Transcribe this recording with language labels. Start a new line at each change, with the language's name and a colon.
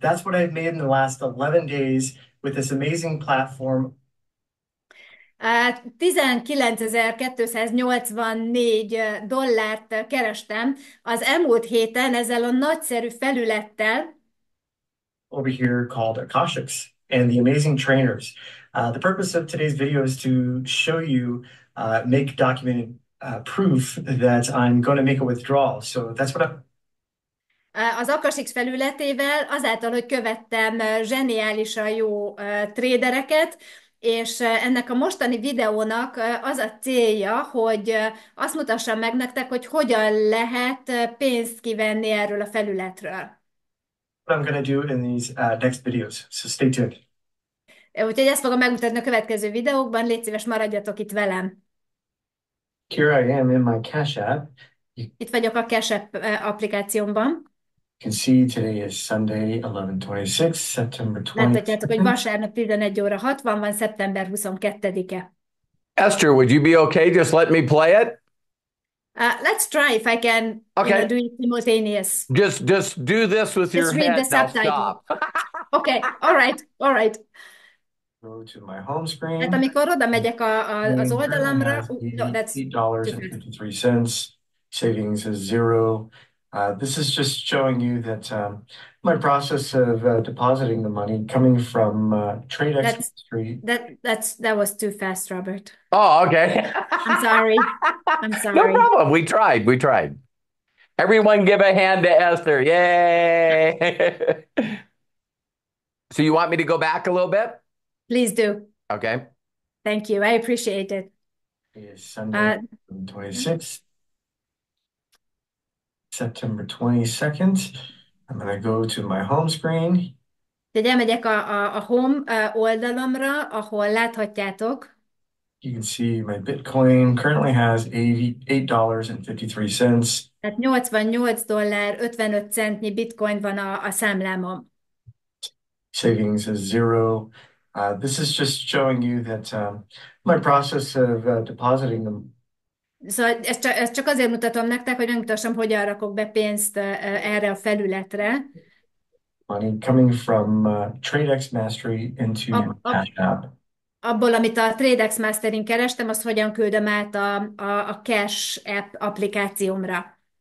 English: That's what I've made in the last 11 days with this amazing platform.
Hungarian: 19,284 dollárt kerestem az elmúlt héten ezzel a nagyszerű felülettel.
English: Over here called Akashx and the amazing trainers. The purpose of today's video is to show you, make documented proof that I'm going to make a withdrawal. So that's what I'm
Hungarian: Az Akashix felületével, azáltal, hogy követtem zseniálisan jó tradereket, és ennek a mostani videónak az a célja, hogy azt mutassam meg nektek, hogy hogyan lehet pénzt kivenni erről a felületről.
English: What I'm gonna do in these next videos, so stay tuned.
Hungarian: Úgyhogy ezt fogom megmutatni a következő videókban, légy szíves, maradjatok itt velem.
English: Here I am in my Cash App.
Hungarian: Itt vagyok a Cash App applikációmban.
English: You can see today is Sunday, 11/26, September 20.
Hungarian: Láthatjátok, hogy vasárnap 11 óra 60 van, szeptember 22-e.
English: Esther, would you be okay? Just let me play it? Let's try if I can okay. Do it simultaneous. Just do this with your read head. subtitle. Now stop. Okay, all right. Go to my home screen.
Hungarian: Hát amikor oda megyek az oldalamra,
English: that's $8.53. Savings is zero. This is just showing you that my process of depositing the money coming from Tradex Street. That was too fast, Robert. Oh, okay. I'm sorry. No problem. We tried. Everyone give a hand to Esther. Yay. So you want me to go back a little bit? Please do. Okay. Thank you. I appreciate it. It's Sunday, 26th. September 22nd. I'm going to go to my home screen.
Hungarian: Ugye megyek a home oldalamra, ahol láthatjátok.
English: You can see my Bitcoin currently has $88.53.
Hungarian: Tehát $88.55 Bitcoin van a számlámon.
English: Savings is zero. This is just showing you that my process of depositing them.
Hungarian: Szóval ezt csak azért mutatom nektek, hogy megmutassam, hogyan rakok be pénzt erre a felületre.
English: Money coming from Tradex Mastery into Cash App.
Hungarian: Abból, amit a Tradex Mastering kerestem, azt hogyan küldöm át a Cash App applikációmra.